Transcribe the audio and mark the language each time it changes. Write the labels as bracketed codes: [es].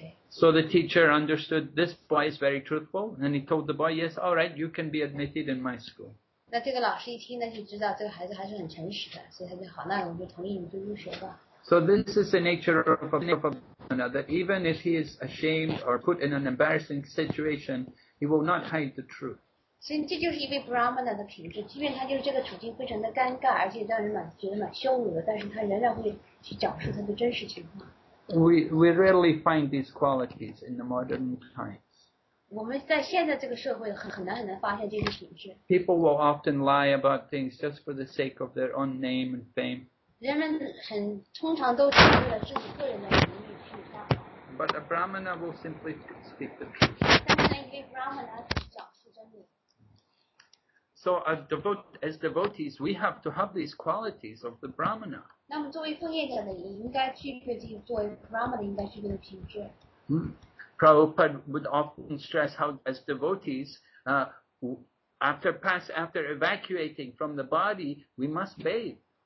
[en] So the teacher understood this boy is very truthful, and he told the boy, yes, all right, you can be admitted in my school. [zh] 那这个老师一听呢，就知道这个孩子还是很诚实的，所以他就好，那我就同意你就入学吧。 [en] So this is the nature of another. That even if he is ashamed or put in an embarrassing situation, he will not hide the truth. [zh] 所以这就是一位 Brahmana 的品质，即便他就是这个处境非常的尴尬，而且让人蛮觉得蛮羞辱的，但是他仍然会去讲述他的真实情况。 [en] We rarely find these qualities in the modern time. [zh] 我们在现在这个社会很难发现这些品质。 [en] People will often lie about things just for the sake of their own name and fame. [zh] 人们很通常都是为了自己个人的名誉去撒谎。 [en] But a Brahmana will simply speak the truth. [zh] 但是一位 Brahmana 讲述真理。 [en] So as devotees, we have to have these qualities of the Brahmana. [zh] 那么作为奉献者的，应该具备这作为 Brahmana 应该具备的品质。 [en] Prabhupada would often stress how, as devotees, after evacuating from the body, we must bathe.